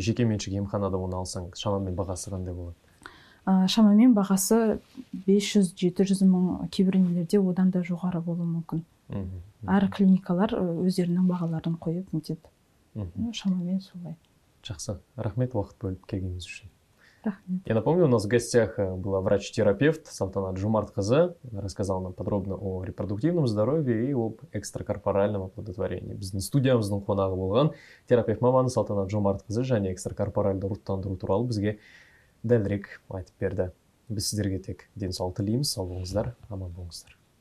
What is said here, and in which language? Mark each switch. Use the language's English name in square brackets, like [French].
[Kazakh] Жеке меншік емханада оны алсаң, шамамен бағасы қандай болады? Шамамен бағасы 500-700 мың, кейбір нелерде одан да жоғары болуы мүмкін. Әр клиникалар өздерінің бағаларын қойып нетеді. Шамамен солай. Жақсы. Рахмет, уақыт бөліп келгеніңіз үшін. Рахмет. [Russian] Я напомню, у нас в гостях была врач-терапевт Салтанат Жумартқызы. Рассказала нам подробно о репродуктивном здоровье и об экстракорпоральном оплодотворении. [Kazakh] Біздің студиямыздың қонағы болған терапевт маманы Салтанат Жумартқызы және экстракорпоральды ұрықтандыру туралы бізге дәлірек айтып берді. Біз сіздерге тек денсаулық тілейміз. Сау болыңыздар, аман болыңыздар.